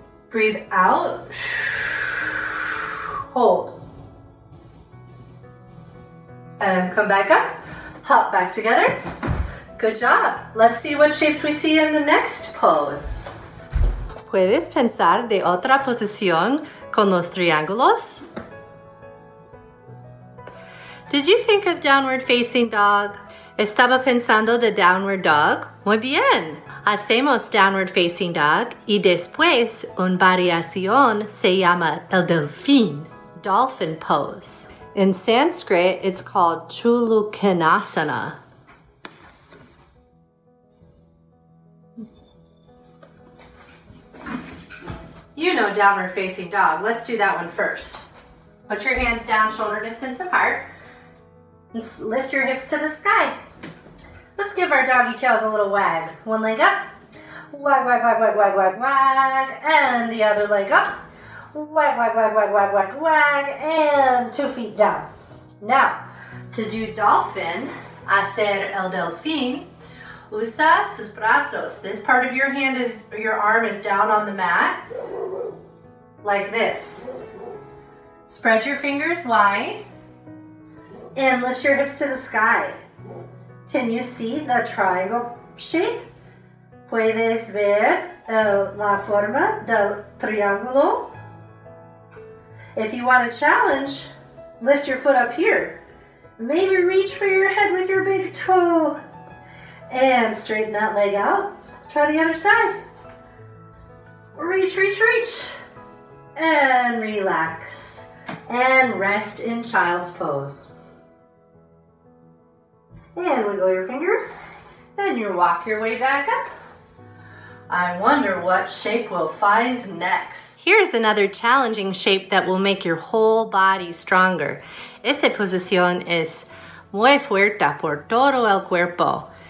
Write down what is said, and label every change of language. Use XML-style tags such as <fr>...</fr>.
<en>Breathe out. Hold. And come back up, hop back together. Good job. Let's see what shapes we see in the next pose.</en> <es>¿Puedes pensar de otra posición con los triángulos?</es> <en>Did you think of downward facing dog?</en> <es>Estaba pensando de downward dog. Muy bien. Hacemos downward facing dog y después una variación se llama el delfín.</es> <en>Dolphin pose. In Sanskrit, it's called Chulukanasana. You know downward facing dog. Let's do that one first. Put your hands down shoulder distance apart. And lift your hips to the sky. Let's give our doggy tails a little wag. One leg up. Wag, wag, wag, wag, wag, wag, wag. And the other leg up. Wag, wag, wag, wag, wag, wag, wag. And 2 feet down. Now, to do dolphin,</en> <es>hacer el delfín, usa sus brazos.</es> <en>This part of your hand is, your arm is down on the mat, like this. Spread your fingers wide and lift your hips to the sky. Can you see the triangle shape?</en> <es>¿Puedes ver la forma del triángulo?</es> <en>If you want a challenge, lift your foot up here. Maybe reach for your head with your big toe. And straighten that leg out. Try the other side. Reach, reach, reach. And relax. And rest in child's pose. And wiggle your fingers. And you walk your way back up. I wonder what shape we'll find next. Here's another challenging shape that will make your whole body stronger.</en> <es>Esta posición es muy fuerte por todo el cuerpo.</es>